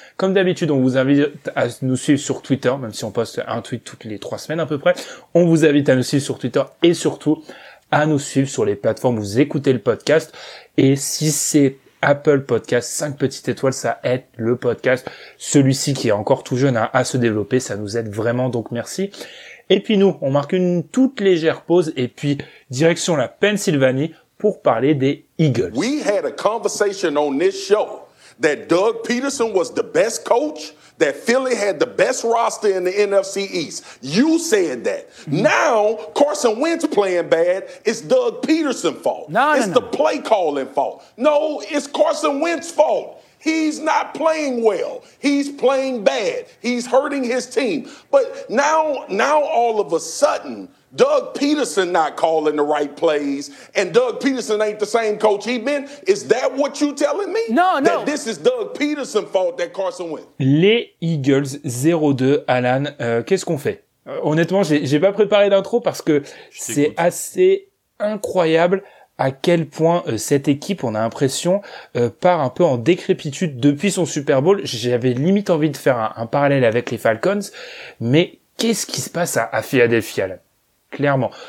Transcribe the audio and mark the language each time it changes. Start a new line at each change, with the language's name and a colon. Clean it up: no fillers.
French: Comme d'habitude, on vous invite à nous suivre sur Twitter, même si on poste un tweet toutes les 3 semaines à peu près, on vous invite à nous suivre sur Twitter et surtout à nous suivre sur les plateformes où vous écoutez le podcast, et si c'est Apple Podcast, 5 petites étoiles, ça aide le podcast, celui-ci qui est encore tout jeune à se développer, ça nous aide vraiment, donc merci. Et puis nous, on marque une toute légère pause, et puis direction la Pennsylvanie pour parler des Eagles.
English: We had a conversation on this show that Doug Peterson was the best coach, that Philly had the best roster in the NFC East. You said that. Now, Carson Wentz playing bad, it's Doug Peterson's fault. No, it's the play calling fault. No, it's Carson Wentz's fault. He's not playing well. He's playing bad. He's hurting his team. But now all of a sudden, Doug Peterson not calling the right plays, and Doug Peterson ain't the same coach he been. Is that what you telling me? No. That this is Doug Peterson's fault that Carson went.
French: Les Eagles 0-2, Alan, qu'est-ce qu'on fait? Honnêtement, j'ai pas préparé d'intro parce que c'est assez incroyable à quel point cette équipe, on a l'impression, part un peu en décrépitude depuis son Super Bowl. J'avais limite envie de faire un parallèle avec les Falcons, mais qu'est-ce qui se passe à Philadelphia, Alan? Clairement.